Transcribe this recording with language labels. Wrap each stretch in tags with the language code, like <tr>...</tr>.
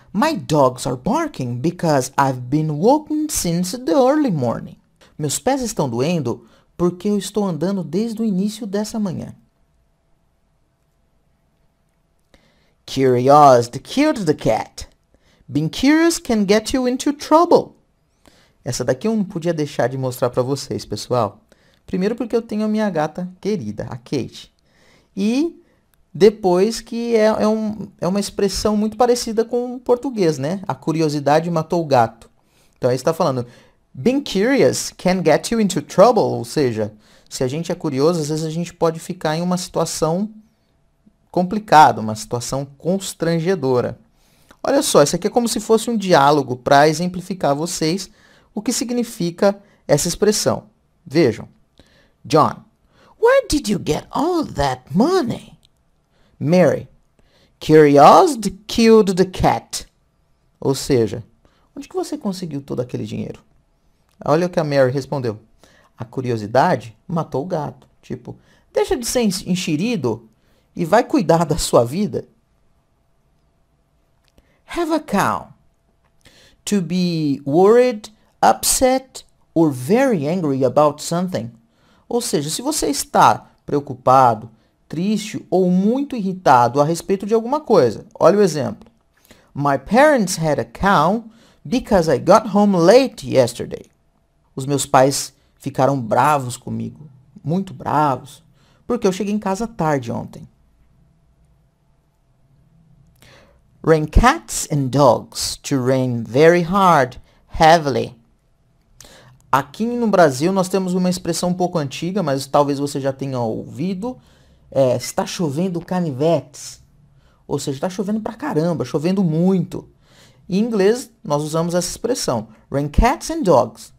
<en>My dogs are barking because I've been walking since the early morning.</en> <pt>Meus pés estão doendo porque eu estou andando desde o início dessa manhã.</pt> <en>Curiosity killed the cat. Being curious can get you into trouble.</en> <pt>Essa daqui eu não podia deixar de mostrar para vocês, pessoal. Primeiro porque eu tenho a minha gata querida, a Kate. E... depois que é uma expressão muito parecida com o português, né? A curiosidade matou o gato. Então, aí está falando,</pt> <en>being curious can get you into trouble.</en> <pt>Ou seja, se a gente é curioso, às vezes a gente pode ficar em uma situação complicada, uma situação constrangedora. Olha só, isso aqui é como se fosse um diálogo para exemplificar a vocês o que significa essa expressão. Vejam.</pt> <en>John, where did you get all that money? Mary, curiosity killed the cat.</en> <pt>Ou seja, onde que você conseguiu todo aquele dinheiro? Olha o que a Mary respondeu. A curiosidade matou o gato. Tipo, deixa de ser enxerido e vai cuidar da sua vida.</pt> <en>Have a calm. To be worried, upset or very angry about something.</en> <pt>Ou seja, se você está preocupado, triste ou muito irritado a respeito de alguma coisa. Olha o exemplo.</pt> <en>My parents had a cow because I got home late yesterday.</en> <pt>Os meus pais ficaram bravos comigo, muito bravos, porque eu cheguei em casa tarde ontem.</pt> <en>Rain cats and dogs to rain very hard, heavily.</en> <pt>Aqui no Brasil nós temos uma expressão um pouco antiga, mas talvez você já tenha ouvido. É, está chovendo canivetes. Ou seja, está chovendo pra caramba, chovendo muito. Em inglês nós usamos essa expressão.</pt> <en>Rain cats and dogs.</en>